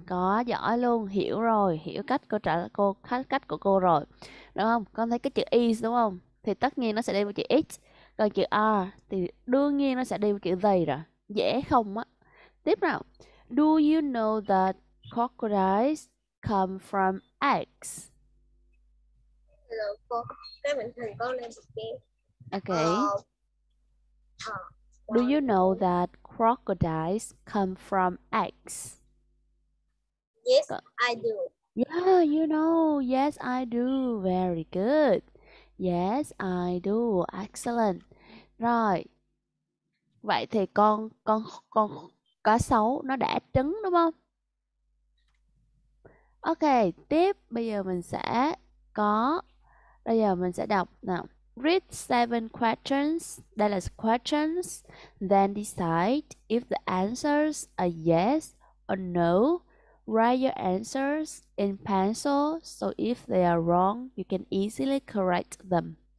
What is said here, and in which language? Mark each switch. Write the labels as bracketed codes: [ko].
[vi] Có giỏi luôn, hiểu rồi, hiểu cách cô trả cô khách cách của cô rồi. Đúng không? Con thấy cái chữ is đúng không? Thì tất nhiên nó sẽ đi với chữ it. Còn chữ are thì đương nhiên nó sẽ đi với chữ they rồi. Dễ không á. Tiếp nào. [en] Do you know that crocodiles come from eggs? ugly. Hello, cái mình thường có lên Okay. Do you know that crocodiles come from eggs? Yes, I do. Yes, I do. Very good. Yes, I do. Excellent. Rồi. [vi] Vậy thì con cá sấu nó đẻ trứng đúng không? Ok, tiếp bây giờ mình sẽ có bây giờ mình sẽ đọc nào. [en] Read seven questions. [vi] Đây là [en] questions. Then decide if the answers are yes or no. Write your answers in pencil so if they are wrong, you can easily correct them.